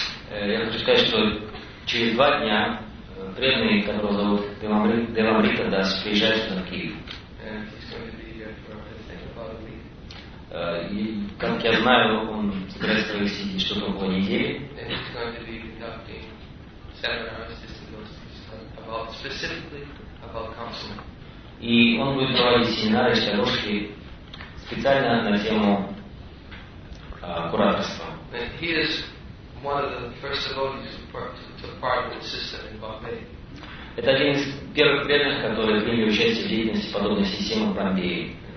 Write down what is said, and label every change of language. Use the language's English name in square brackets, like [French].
[Russian] Я хочу сказать, что через два дня преданный, которого зовут Дема Бхиттанас, приезжает сюда, в Киев. [English] And he's going to be here for, I think, about a week. [Russian] И, как я знаю, он собирается провести что-то около недели. [English] And he's going to be conducting seminars about specifically about counseling. [Russian] И он будет проводить семинары и шарошки специально на тему кураторства. [English] And he is one of the first devotees who took part in the system in Bombay. [Russian] Это один из первых преданных, которые приняли участие в деятельности подобной системы в Бомбее.